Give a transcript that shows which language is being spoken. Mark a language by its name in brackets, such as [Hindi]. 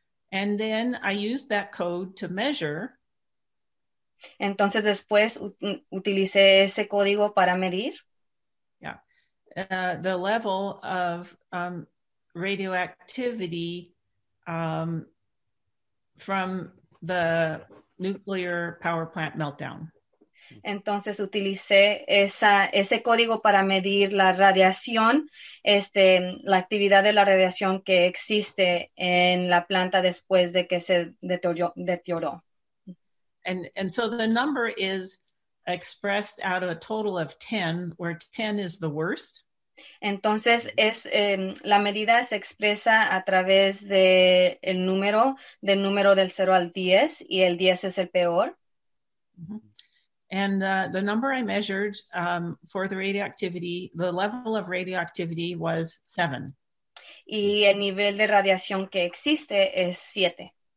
[English] And then I used that code to measure. [Spanish] Entonces después utilicé ese código para medir. [English] Yeah. The level of radioactivity from the nuclear power plant meltdown. [Spanish] Entonces utilicé ese código para medir la radiación, la actividad de la radiación que existe en la planta después de que se deterioró. [English] And so the number is expressed out of a total of 10, where 10 is the worst. [Spanish] Entonces la medida se expresa a través de el número del 0 al 10, y el 10 es el peor. Mm-hmm. [English] And the number I measured for the radioactivity, the level of radioactivity was 7. [Spanish] Y el nivel de radiación que existe es 7.